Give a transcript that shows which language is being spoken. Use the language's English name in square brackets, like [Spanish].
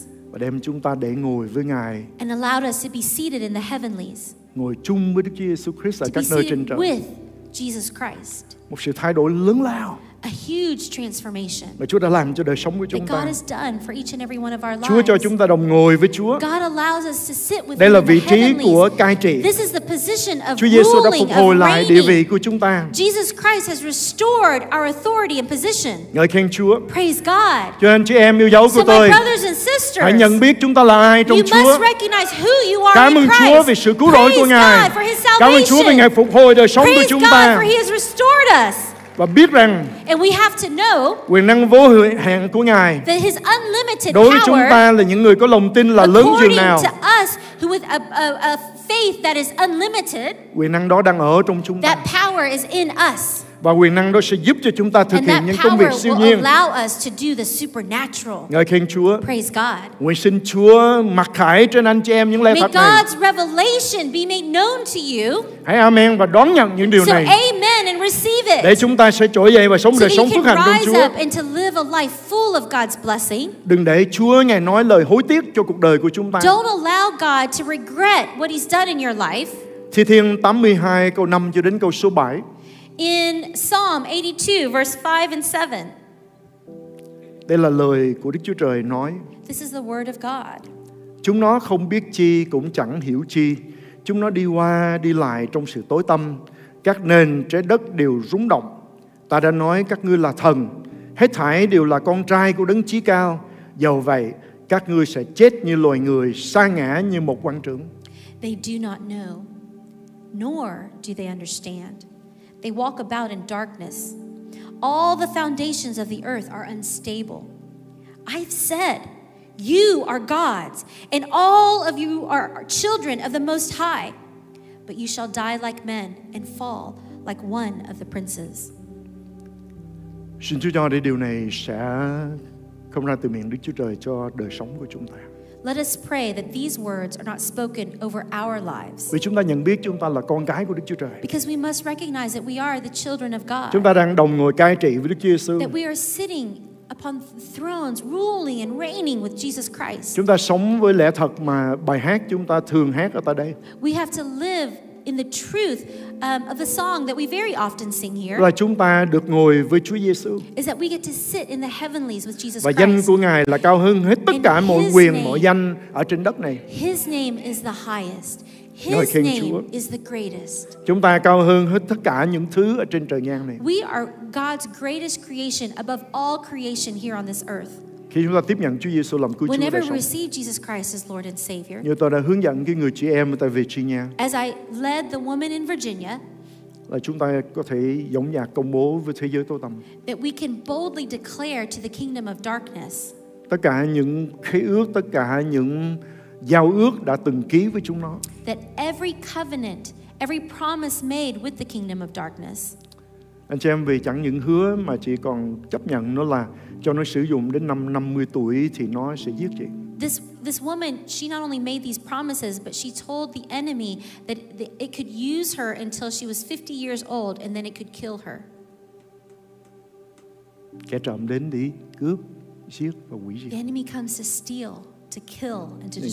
[Vietnamese] Và đem chúng ta để ngồi với Ngài. [English] And allowed us to be seated in the heavenlies. [Vietnamese] Ngồi chung với Đức Giêsu Christ ở các nơi trên trời. [English] With Jesus Christ. [Vietnamese] Một sự thay đổi lớn lao. [English] A huge transformation. [Vietnamese] Mà Chúa đã làm cho đời sống của chúng ta. [English] God has done for each and every one of our lives. [Vietnamese] Chúa cho chúng ta đồng ngồi với Chúa. [English] God allows us to sit with [Vietnamese] Đây là vị trí của cai trị. [English] This is the position of [Vietnamese] Chúa Giêsu đã phục hồi lại địa vị của chúng ta. [English] Jesus Christ has restored our authority and position. [Vietnamese] Ngợi khen Chúa. [English] Praise God. [Vietnamese] Cho anh chị em yêu dấu của tôi. [English] So my brothers and sisters, [Vietnamese] hãy nhận biết chúng ta là ai trong Chúa. [English] You must recognize who you are in [Vietnamese] Christ. Cảm ơn Chúa vì sự cứu rỗi của Ngài. [English] Praise God for His salvation. [Vietnamese] Cảm ơn Chúa vì Ngài phục hồi đời sống của chúng ta. [English] Praise God for He has restored us. [Vietnamese] Và biết rằng [English] and we have to know [Vietnamese] quyền năng vô hạn của Ngài [English] that his unlimited [Vietnamese] đối với chúng ta là những người có lòng tin là lớn chừng nào. [English] According to us, who with a faith that is unlimited, [Vietnamese] quyền năng đó đang ở trong chúng ta. [English] That power is in us. [Vietnamese] Và quyền năng đó sẽ giúp cho chúng ta thực hiện những công việc siêu nhiên. [English] Allow us to do the supernatural. [Vietnamese] Ngợi khen Chúa. [English] Praise God. [Vietnamese] Nguyện xin Chúa mặc khải trên anh chị em những lời [English] may [Vietnamese] thật này. [English] God's revelation be made known to you. [Vietnamese] Hãy amen và đón nhận những điều [English] so [Vietnamese] này. [English] Amen and receive it. [Vietnamese] Để chúng ta sẽ trỗi dậy và sống đời sống phước hạnh trong Chúa. [English] And to live a life full of God's blessing. [Vietnamese] Đừng để Chúa Ngài nói lời hối tiếc cho cuộc đời của chúng ta. [English] Don't allow God to regret what He's done in your life. [Vietnamese] Thi thiên 82 câu 5 cho đến câu số 7. [English] In Psalm 82, verse 5 and 7. [Vietnamese] Đây là lời của Đức Chúa Trời nói. [English] This is the word of God. [Vietnamese] Chúng nó không biết chi cũng chẳng hiểu chi. Chúng nó đi qua đi lại trong sự tối tăm. Các nền trái đất đều rúng động. Ta đã nói các ngươi là thần. Hết thảy đều là con trai của Đấng Chí Cao. Dầu vậy, các ngươi sẽ chết như loài người, sa ngã như một quan trưởng. [English] They do not know, nor do they understand. They walk about in darkness. All the foundations of the earth are unstable. I've said, you are gods, and all of you are children of the Most High. But you shall die like men and fall like one of the princes. [Vietnamese] Xin Chúa cho để điều này sẽ không ra từ miệng Đức Chúa Trời cho đời sống của chúng ta. [English] Let us pray that these words are not spoken over our lives. [Vietnamese] Vì chúng ta nhận biết chúng ta là con cái của Đức Chúa Trời. [English] Because we must recognize that we are the children of God. [Vietnamese] Chúng ta đang đồng ngồi cai trị với Đức Giêsu. [English] That we are sitting upon thrones, ruling and reigning with Jesus Christ. [Vietnamese] Chúng ta sống với lẽ thật mà bài hát chúng ta thường hát ở tại đây. [English] We have to live in the truth of the song that we very often sing here. [Vietnamese] Là chúng ta được ngồi với Chúa Giêsu. [English] Is that we get to sit in the heavenlies with Jesus Christ. [Vietnamese] Và danh của Ngài là cao hơn hết tất cả mọi quyền, mọi danh ở trên đất này. [English] His name is the highest. His name is the greatest. [Vietnamese] Chúng ta cao hơn hết tất cả những thứ ở trên trời gian này. [English] We are God's greatest creation above all creation here on this earth. [Vietnamese] Khi chúng ta tiếp nhận Chúa Giêsu làm cứu [English] Whenever [Vietnamese] Chúa đời sống. [English] Jesus Christ as Lord and Savior, [Vietnamese] như tôi đã hướng dẫn cái người chị em tại Virginia, [English] as I led the woman in Virginia, [Vietnamese] là chúng ta có thể dõng dạc công bố với thế giới tối tăm, [English] that we can boldly declare to the kingdom of darkness, [Vietnamese] tất cả những khế ước, tất cả những giao ước đã từng ký với chúng nó, [English] that every covenant, every promise made with the kingdom of darkness. [Vietnamese] Anh chị em, vì chẳng những hứa mà chị còn chấp nhận nó là cho nó sử dụng đến năm 50 tuổi thì nó sẽ giết chị. [English] This woman, she not only made these promises, but she told the enemy that it could use her until she was 50 years old and then it could kill her. [Vietnamese] Kẻ trộm đến đi cướp, giết và hủy diệt. [English] The enemy comes to steal, to kill and to destroy.